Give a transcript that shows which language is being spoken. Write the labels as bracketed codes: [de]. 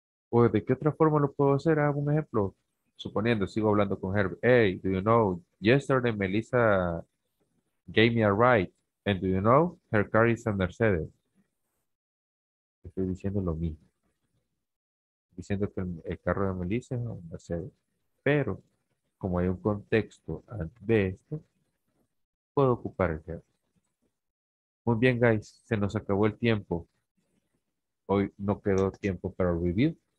[es] ¿O de qué otra forma lo puedo hacer? Hago un ejemplo. Suponiendo, sigo hablando con Herb. [en] Hey, do you know, yesterday Melissa gave me a ride. And do you know, her car is a Mercedes. [es] Estoy diciendo lo mismo. Diciendo que el carro de Melissa es un Mercedes. Pero, como hay un contexto de esto, puedo ocupar el Herb. Muy bien, guys. Se nos acabó el tiempo. Hoy no quedó tiempo para el review.